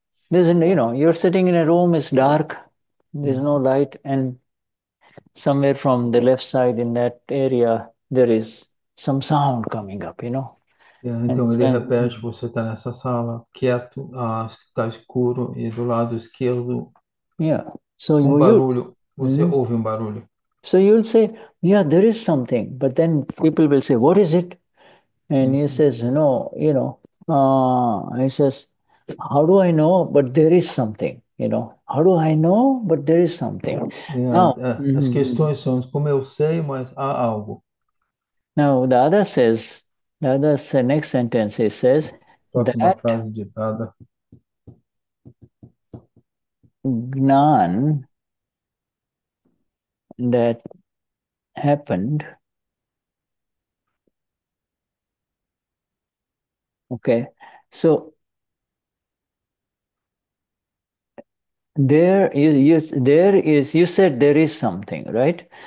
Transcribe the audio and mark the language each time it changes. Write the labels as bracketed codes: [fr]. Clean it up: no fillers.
[en] there's an, you're sitting in a room, it's dark, there's no light, and somewhere from the left side in that area, there is some sound coming up, [pt] Então ele repete, você está nessa sala, quieto, está escuro e do lado esquerdo, [en] So [pt] um [en] you [pt] barulho, você ouve um barulho. [en] so you'll say, yeah, there is something, but then people will say, what is it? And he says, no, he says, how do I know? But there is something, how do I know? But there is something. Now, [pt] As questões são como eu sei, mas há algo. [en] the other says, the next sentence, he says that [pt] Próxima frase ditada. [en] Gnan that happened, okay, so there is, you said there is something, right?